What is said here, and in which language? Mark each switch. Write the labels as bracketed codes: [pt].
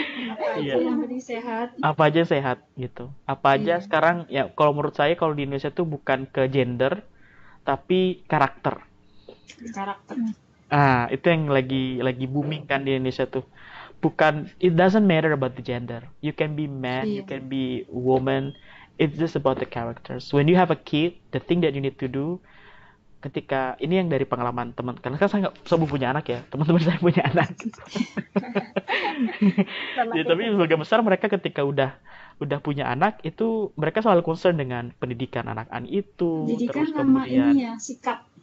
[id] Apa aja Iya. yang lebih sehat? Apa aja sehat gitu. Apa aja sekarang ya kalau menurut saya kalau di Indonesia tuh bukan ke gender tapi karakter. Karakter. Ah, itu yang lagi booming kan di Indonesia tuh. Bukan [en] it doesn't matter about the gender. You can be man, Iya. you can be woman. It's just about the characters. When you have a kid, the thing that you need to do [id] ketika ini yang dari pengalaman teman, karena kan saya nggak sebelum punya anak ya, teman-teman saya punya anak. Ya, tapi sebagian besar mereka ketika udah punya anak itu mereka selalu concern dengan pendidikan anak-anak itu, jadi terus kan kemudian ini ya, sikap.